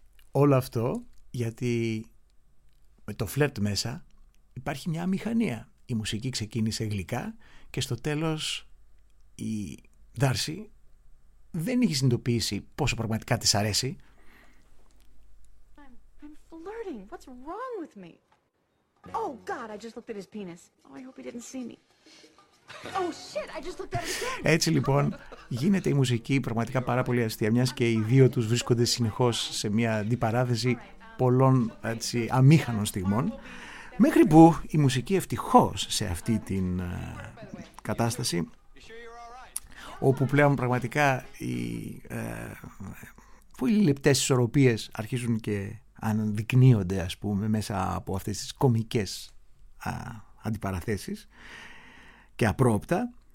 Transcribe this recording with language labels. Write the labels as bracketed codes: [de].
[el] Όλο αυτό γιατί με το φλερτ μέσα υπάρχει μια αμηχανία. Η μουσική ξεκίνησε γλυκά και στο τέλος η Darcy δεν είχε συνειδητοποιήσει πόσο πραγματικά της αρέσει. [en] I'm flirting. What's wrong with me? Oh god, I just looked at his penis. Oh, I hope he didn't see me. Oh shit, I just looked at it again. [el] Έτσι λοιπόν γίνεται η μουσική πραγματικά πάρα πολύ αστεία, μιας και οι δύο τους βρίσκονται συνεχώς σε μια αντιπαράθεση πολλών έτσι, αμήχανων στιγμών, μέχρι που η μουσική ευτυχώς σε αυτή την κατάσταση, όπου πλέον πραγματικά οι πολύ λεπτές ισορροπίες αρχίζουν και αναδεικνύονται, ας πούμε, μέσα από αυτές τις κομικές αντιπαραθέσεις και απρόπτα,